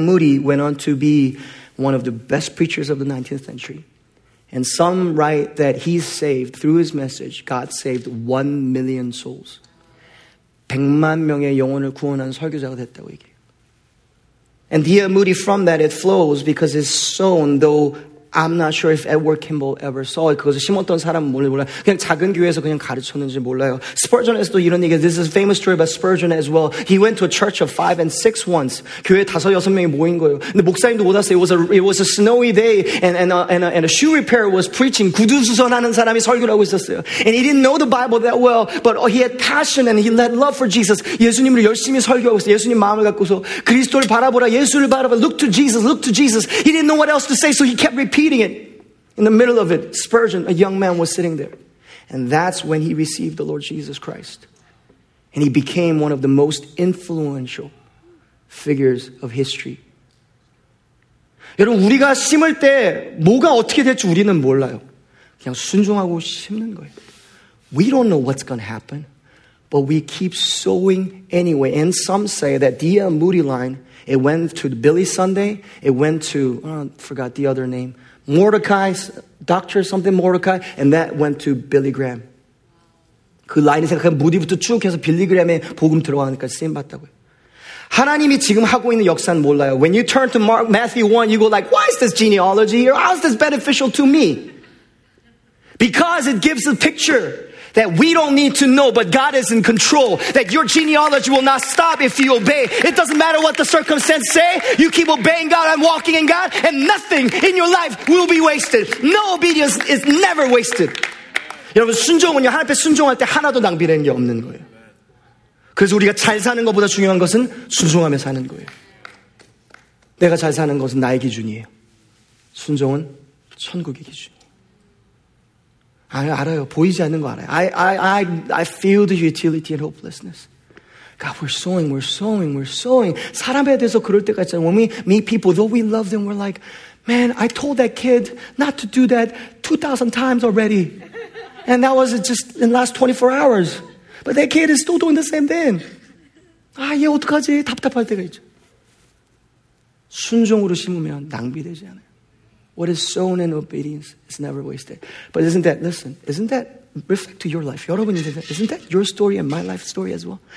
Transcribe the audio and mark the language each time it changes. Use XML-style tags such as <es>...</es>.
<en>Moody went on to be one of the best preachers of the 19th century. And some write that he saved, through his message, God saved 1 million souls.</en> <ko>100만 명의 영혼을 구원한 설교자가 됐다고 얘기해요.</ko> <en>And D.L. Moody, from that, it flows because his son, though I'm not sure if Edward Kimball ever saw it.</en> <ko>그것을 심었던 사람은 몰라요. 그냥 작은 교회에서 그냥 가르쳤는지 몰라요. Spurgeon에서도 이런 얘기,</ko> <en>this is a famous story about Spurgeon as well. He went to a church of 5 and 6 once.</en> <ko>교회 다섯, 여섯 명이 모인 거예요. 근데 목사님도 못 왔어요.</ko> <en>It was a snowy day and a shoe repair was preaching.</en> <ko>구두 수선하는 사람이 설교를 하고 있었어요.</ko> <en>And he didn't know the Bible that well, but he had passion and he had love for Jesus.</en> <ko>예수님을 열심히 설교하고 있어요. 예수님 마음을 갖고서 그리스도를 바라보라, 예수를 바라봐.</ko> <en>Look to Jesus, look to Jesus. He didn't know what else to say, so he kept repeating. Repeating it, in the middle of it, Spurgeon, a young man, was sitting there. And that's when he received the Lord Jesus Christ. And he became one of the most influential figures of history.</en> <ko>여러분, 우리가 심을 때 뭐가 어떻게 될지 우리는 몰라요. 그냥 순종하고 심는 거예요.</ko> <en>We don't know what's going to happen, but we keep sowing anyway. And some say that D.L. Moody line, it went to the Billy Sunday, it went to, oh, I forgot the other name, Mordecai, Dr. something Mordecai, and that went to Billy Graham.</en> <ko>그 라인이 생각하면 무디부터 쭉 해서 빌리 그램에 복음 들어가니까 쓰임 받다고요. 하나님이 지금 하고 있는 역사는 몰라요.</ko> <en>When you turn to Mark, Matthew 1, you go like, why is this genealogy here? How is this beneficial to me? Because it gives a picture that we don't need to know, but God is in control. That your genealogy will not stop if you obey. It doesn't matter what the circumstances say. You keep obeying God and walking in God, and nothing in your life will be wasted. No obedience is never wasted.</en> <ko>여러분, 순종은요, 하나님께 순종할 때 하나도 낭비된 게 없는 거예요. 그래서 우리가 잘 사는 것보다 중요한 것은 순종하며 사는 거예요. 내가 잘 사는 것은 나의 기준이에요. 순종은 천국의 기준. 알아요. 보이지 않는 거 알아요.</ko> <en>I feel the futility and hopelessness. God, we're sowing.</en> <ko>사람에 대해서 그럴 때가 있잖아요.</ko> <en>When we meet people, though we love them, we're like, man, I told that kid not to do that 2,000 times already. And that was just in the last 24 hours. But that kid is still doing the same thing.</en> <ko>아, 얘 어떡하지? 답답할 때가 있죠. 순종으로 심으면 낭비되지 않아요.</ko> <en>What is sown in obedience is never wasted. But isn't that, listen, isn't that reflect to your life?</en> <ko>여러분 인생,</ko> <en>isn't that your story and my life story as well?</en>